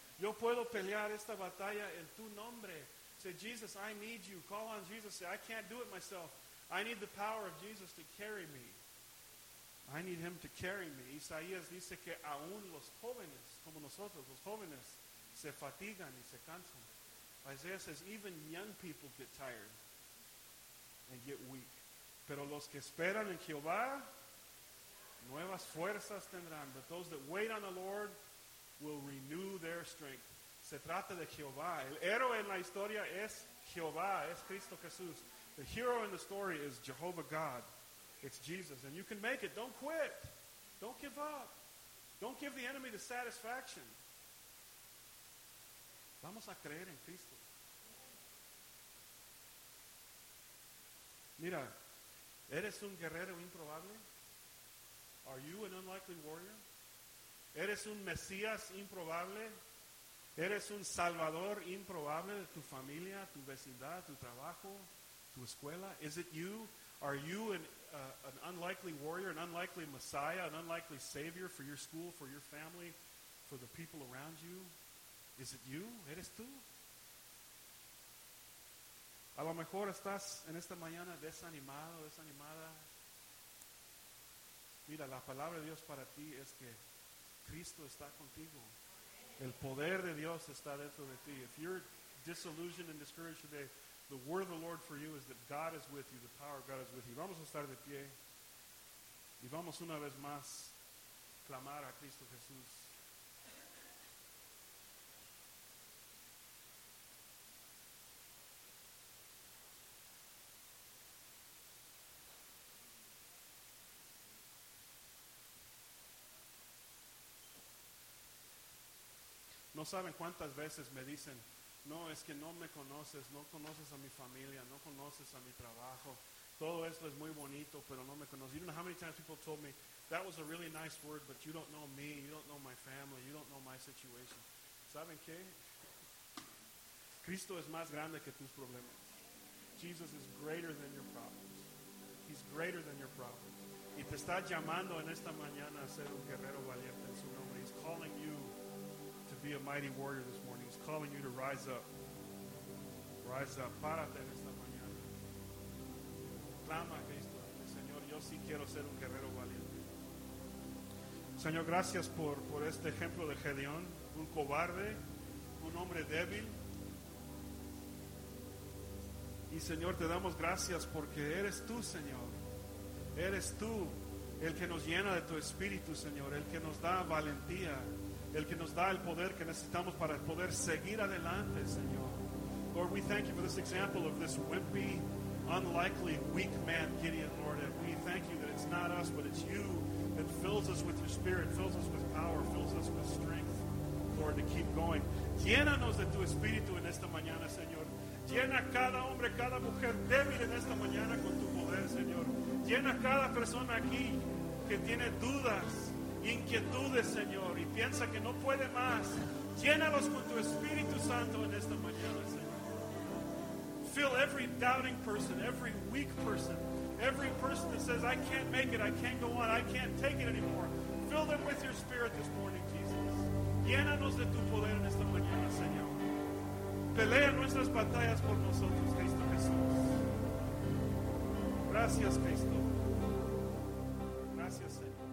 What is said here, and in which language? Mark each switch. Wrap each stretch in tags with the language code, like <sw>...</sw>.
<es>Yo puedo pelear esta batalla en tu nombre.</es> <en>Say, Jesus, I need you. Call on Jesus. Say, I can't do it myself. I need the power of Jesus to carry me. I need him to carry me.</en> <es>Isaías dice que aún los jóvenes, como nosotros, los jóvenes, se fatigan y se cansan.</es> <en>Isaiah says even young people get tired and get weak.</en> <es>Pero los que esperan en Jehová, nuevas fuerzas tendrán.</es> <en>But those that wait on the Lord will renew their strength.</en> <es>Se trata de Jehová. El héroe en la historia es Jehová, es Cristo Jesús.</es> <en>The hero in the story is Jehovah God. It's Jesus. And you can make it. Don't quit. Don't give up. Don't give the enemy the satisfaction.</en> <es>Vamos a creer en Cristo. Mira, ¿eres un guerrero improbable?</es> <en>Are you an unlikely warrior?</en> <es>¿Eres un Mesías improbable? ¿Eres un salvador improbable de tu familia, tu vecindad, tu trabajo, tu escuela?</es> <en>Is it you? Are you an unlikely warrior, an unlikely Messiah, an unlikely Savior for your school, for your family, for the people around you? Is it you?</en> <es>¿Eres tú? A lo mejor estás en esta mañana desanimado, desanimada. Mira, la palabra de Dios para ti es que Cristo está contigo. El poder de Dios está dentro de ti.</es> <en>If you're disillusioned and discouraged today, the word of the Lord for you is that God is with you, the power of God is with you.</en> <es>Vamos a estar de pie. Y vamos una vez más clamar a Cristo Jesús. No saben cuántas veces me dicen, no, es que no me conoces, no conoces a mi familia, no conoces a mi trabajo. Todo esto es muy bonito, pero no me conoces.</es> <en>You don't know how many times people told me, that was a really nice word, but you don't know me, you don't know my family, you don't know my situation.</en> <es>¿Saben qué? Cristo es más grande que tus problemas.</es> <en>Jesus is greater than your problems. He's greater than your problems.</en> <es>Y te está llamando en esta mañana a ser un guerrero valiente en su nombre.</es> <en>He's calling you to be a mighty warrior this morning. He's calling you to rise up. Rise up.</en> <es>Párate en esta mañana. Clama a Cristo. Señor, yo sí quiero ser un guerrero valiente. Señor, gracias por este ejemplo de Gedeón, un cobarde, un hombre débil. Y Señor, te damos gracias porque eres tú, Señor. Eres tú el que nos llena de tu espíritu, Señor. El que nos da valentía. El que nos da el poder que necesitamos para poder seguir adelante, Señor.</es> <en>Lord, we thank you for this example of this wimpy, unlikely, weak man, Gideon, Lord. And we thank you that it's not us, but it's you that fills us with your spirit, fills us with power, fills us with strength, Lord, to keep going.</en> <es>Llénanos de tu espíritu en esta mañana, Señor. Llena cada hombre, cada mujer débil en esta mañana con tu poder, Señor. Llena cada persona aquí que tiene dudas, inquietudes, Señor, y piensa que no puede más. Llénalos con tu Espíritu Santo en esta mañana, Señor.</es> <en>Fill every doubting person, every weak person, every person that says, I can't make it, I can't go on, I can't take it anymore. Fill them with your Spirit this morning, Jesus.</en> <es>Llénanos de tu poder en esta mañana, Señor. Pelea nuestras batallas por nosotros, Cristo Jesús. Gracias, Cristo. Gracias, Señor.</es>